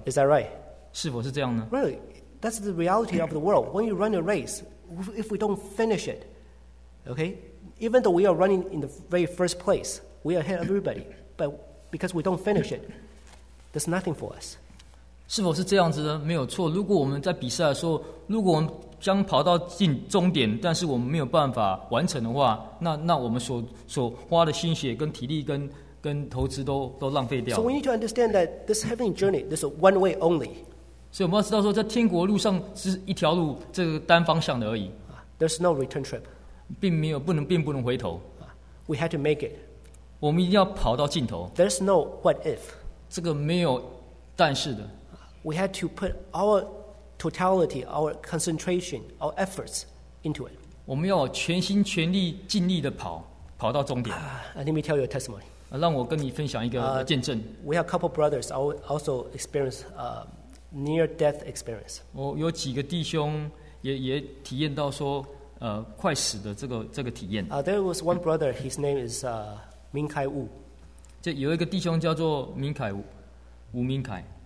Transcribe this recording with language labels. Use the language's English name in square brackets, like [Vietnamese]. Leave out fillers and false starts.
[English] Is that right? [Chinese] 是否是这样呢 [English] ？Really, that's the reality of the world. When you run a race, if we don't finish it. Okay, even though we are running in the very first place, we are ahead of everybody. But because we don't finish it, there's nothing for us. [Chinese] 是否是这样子呢？没有错。如果我们在比赛的时候，如果我们将跑到进终点，但是我们没有办法完成的话，那我们所花的心血跟体力跟投资都浪费掉了。 [English] So we need to understand that this heavenly journey is one way only. [Chinese] 所以我们要知道说，在天国路上是一条路，这个单方向的而已。 [English] There's no return trip. [Chinese] 并不能回头。 [English] We had to make it. [Chinese] 我们一定要跑到尽头。 [English] There's no what if. [Chinese] 这个没有但是的。 [English] We had to put our totality, our concentration, our efforts into it. [Chinese] 我们要全心全力尽力的跑到终点。 [English] Let me tell you a testimony. [Chinese] 让我跟你分享一个见证。 [English] We have a couple brothers also experienced near-death experience. [Chinese] 我有几个弟兄也体验到说快死的这个体验。 [English] There was one brother, his name is Ming Kai Wu. [Chinese] 就有一个弟兄叫做明凯吴，吴明凯。